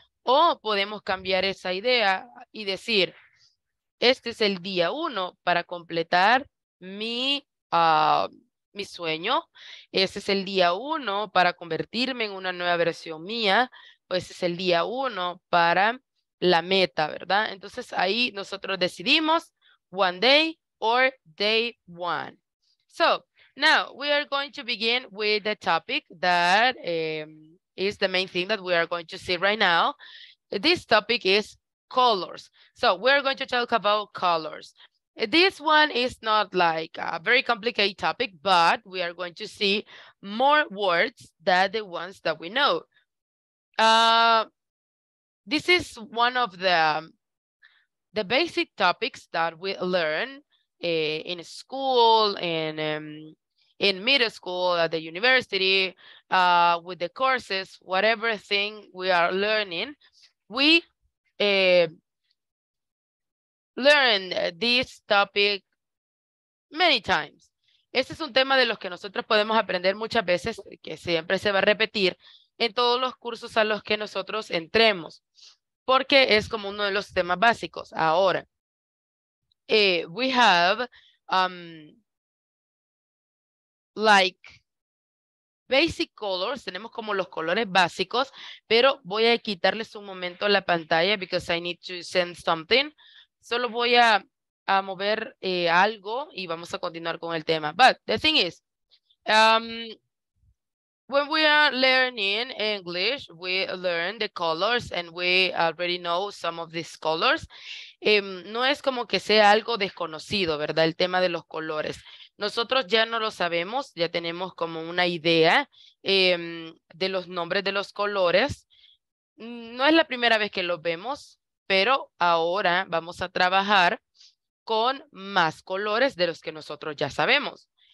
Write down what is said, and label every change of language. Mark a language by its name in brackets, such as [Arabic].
[Spanish] O podemos cambiar esa idea y decir, este es el día uno para completar mi sueño, ese es el día uno para convertirme en una nueva versión mía, o ese es el día uno para la meta, ¿verdad? Entonces ahí nosotros decidimos [English] one day or day one. So, now we are going to begin with the topic that is the main thing that we are going to see right now. This topic is colors. So, we are going to talk about colors. This one is not like a very complicated topic, but we are going to see more words than the ones that we know. This is one of the basic topics that we learn in school, in middle school, at the university, with the courses, whatever thing we are learning, we learn this topic many times. [Spanish] Este es un tema de los que nosotros podemos aprender muchas veces, que siempre se va a repetir en todos los cursos a los que nosotros entremos, porque es como uno de los temas básicos. Ahora, [English] we have like basic colors, [Spanish] tenemos como los colores básicos, pero voy a quitarles un momento la pantalla [English] because I need to send something. [Spanish] Solo voy a mover algo y vamos a continuar con el tema. [English] But the thing is, when we are learning English, we learn the colors and we already know some of these colors. [Spanish] No es como que sea algo desconocido, ¿verdad? El tema de los colores. Nosotros ya no lo sabemos, ya tenemos como una idea de los nombres de los colores. No es la primera vez que los vemos, pero ahora vamos a trabajar con más colores de los que nosotros ya sabemos.